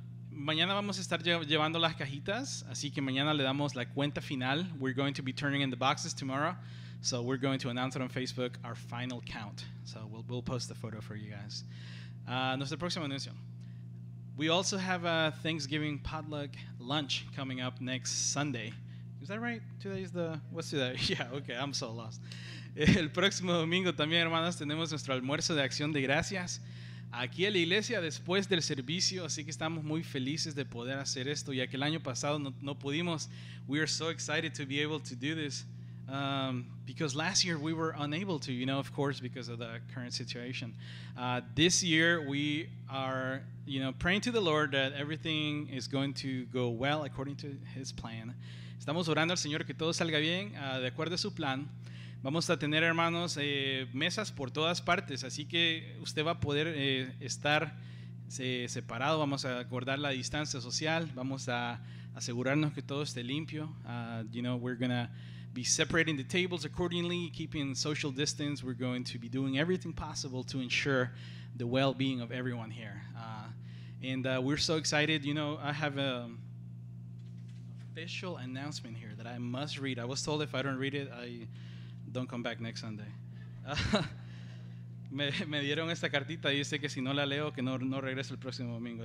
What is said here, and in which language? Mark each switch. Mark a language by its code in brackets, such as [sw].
[es] Mañana vamos a estar llevando las cajitas, así que mañana le damos la cuenta final. [en] We're going to be turning in the boxes tomorrow, so we're going to announce it on Facebook, our final count. So we'll post the photo for you guys. [es] Nuestro próximo anuncio. [en] We also have a Thanksgiving potluck lunch coming up next Sunday. Is that right? Okay, I'm so lost. [es] El próximo domingo también, hermanos, tenemos nuestro almuerzo de acción de gracias aquí en la iglesia después del servicio, así que estamos muy felices de poder hacer esto, ya que el año pasado no pudimos. [en] We are so excited to be able to do this because last year we were unable to, you know, of course, because of the current situation. This year we are, you know, praying to the Lord that everything is going to go well according to his plan. [es] Estamos orando al Señor que todo salga bien, de acuerdo a su plan. Vamos a tener, hermanos, mesas por todas partes, así que usted va a poder estar separado. Vamos a guardar la distancia social, vamos a asegurarnos que todo esté limpio. [en] You know, we're going to be separating the tables accordingly, keeping social distance. We're going to be doing everything possible to ensure the well-being of everyone here. We're so excited. You know, I have a... official announcement here that I must read. I was told if I don't read it, I don't come back next Sunday. [es] Me dieron esta cartita y dice que si no la leo, que no regreso el próximo domingo.